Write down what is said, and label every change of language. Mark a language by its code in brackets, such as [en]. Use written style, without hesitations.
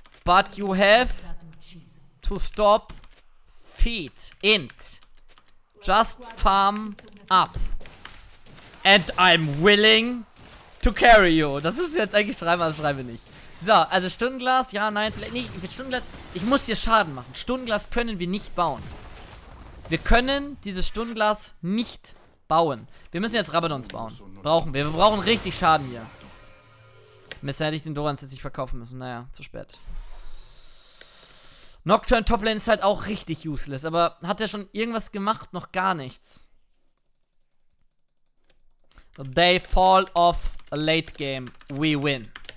[en] But you have to stop feed. Int. Just farm up. And I'm willing to carry you. [de] Das musst du jetzt eigentlich schreiben, aber das schreibe ich nicht. So, also Stundenglas, ja, nein, vielleicht nicht. Stundenglas, ich muss dir Schaden machen. Stundenglas können wir nicht bauen. Wir können dieses Stundenglas nicht bauen. Wir müssen jetzt Rabadons bauen. Brauchen wir. Wir brauchen richtig Schaden hier. Messer hätte ich den Dorans jetzt nicht verkaufen müssen. Naja, zu spät. Nocturne Toplane ist halt auch richtig useless, aber hat er schon irgendwas gemacht? Noch gar nichts. [en] They fall off late game, we win.